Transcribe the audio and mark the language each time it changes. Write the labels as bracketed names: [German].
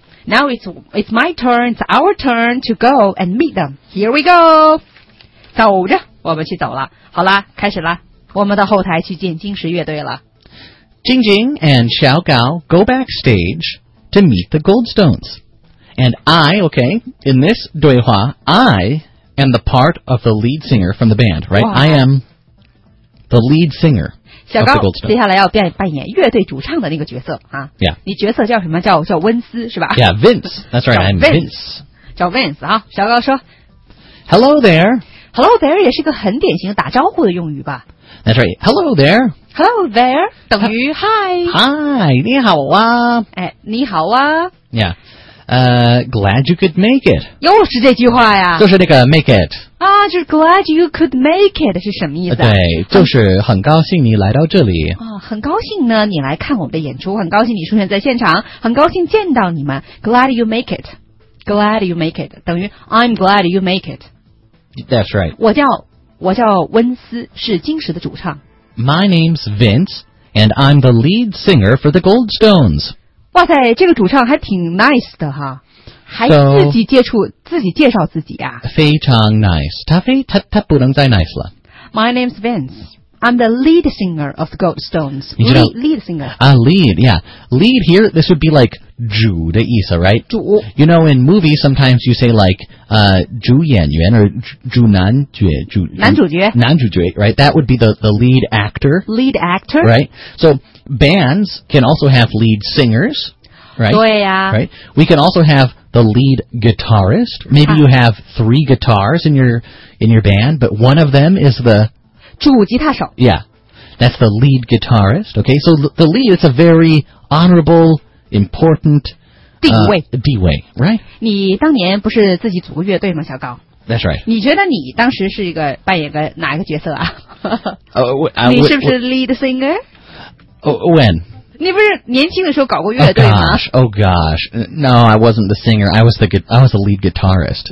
[English] Now it's my turn, it's our turn to go and meet them. Here we go， [Chinese] 走着，我们去走了。好啦，开始啦，我们到后台去见金石乐队了。 [English] 晶晶 and 小高 go backstage to meet the Goldstones, and I, okay, in this 对话 I. And the part of the lead singer from the band, right? Wow. I am the lead singer of the Goldstones. [Chinese] 接下来要扮演乐队主唱的那个角色啊。 [English] Yeah. [Chinese] 你角色叫什么？叫温斯是吧 [English] ？Yeah, Vince. That's right. I'm Vince. [Chinese] 叫 Vince 啊。小高说 [English] ，Hello there. Hello there [Chinese] 也是个很典型打招呼的用语吧 [English] ？That's right. Hello there. Hello there [Chinese] 等于 [English] Hi. [Chinese] Hi, 你好啊。哎，你好啊。 [English] Yeah. Glad you could make it. [Chinese] 又是这句话呀。就是那个 make it. 啊，就是 [English] glad you could make it [Chinese] 是什么意思啊？对，就是很高兴你来到这里。很高兴呢，你来看我们的演出，很高兴你出现在现场，很高兴见到你们。 [English] Glad you make it. Glad you make it. [Chinese] 等于 [English] I'm glad you make it. That's right. [Chinese] 我叫温斯，是金石的主唱。 [English] My name's Vince, and I'm the lead singer for the Goldstones. [Chinese] 哇塞，这个主唱还挺 nice 的哈，还自己介绍自己啊，非常 nice。他不能再 nice 了。 [English] My name's Vince. I'm the lead singer of the Goldstones. Lead singer. Lead, yeah. Lead here, this would be like [Chinese] 主的意思 [English] right? [Chinese] 主。 [English] You know, in movies, sometimes you say like [Chinese] 主演员 [English] or 主 [Chinese] 男主主男主角男主角 [English] right? That would be the lead actor. Lead actor. Right. So. Bands can also have lead singers, right? [Chinese] 对呀、 [English] 啊、Right. We can also have the lead guitarist. Maybe、you have three guitars in your band, but one of them is the [Chinese] 主吉他手 [English] Yeah, that's the lead guitarist. Okay, so the lead is a very honorable, important [Chinese] 地位 [English] right? [Chinese] 你当年不是自己组个乐队吗，小高？ [English] That's right. [Chinese] 你觉得你当时是一个扮演个哪一个角色啊？你是不是 lead singer? [English] When? [Chinese] 你不是年轻的时候搞过乐队吗 [English] ？Oh gosh! Oh gosh! No, I wasn't the singer. I was the lead guitarist.